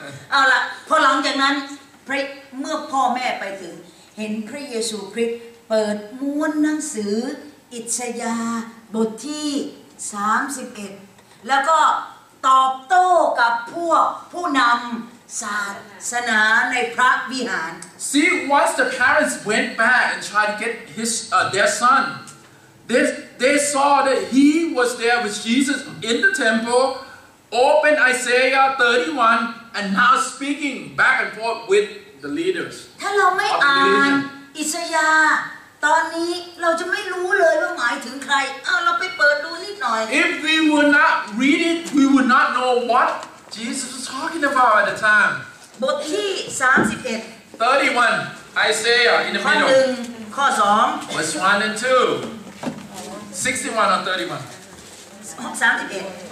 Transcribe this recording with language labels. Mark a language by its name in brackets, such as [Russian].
[Thai] เอาละพอหลังจากนั้นพระเมื่อพ่อแม่ไปถึงเห็นพระเยซูคริสต์เปิดม้วนหนังสืออิสยาห์บทที่31แล้วก็ตอบโต้กับพวกผู้นำศาสนาในพระวิหาร [English] See once the parents went back and tried to get their son they saw that he was there with Jesus in the templeopen Isaiah 31 and now speaking back and forth with the leaders [Thai] ถ้าเราไม่อ่านอิสยาห์ตอนนี้เราจะไม่รู้เลยว่าหมายถึงใครเราไปเปิดดูนิดหน่อย [English] If we were not read it we would not know what Jesus was talking about at the time [Thai] บทที่31 [English] 31 Isaiah in the middle [Thai] ข้อ1ข้อ2 [English] verse 1 and 2 61 or 31 [Thai] 31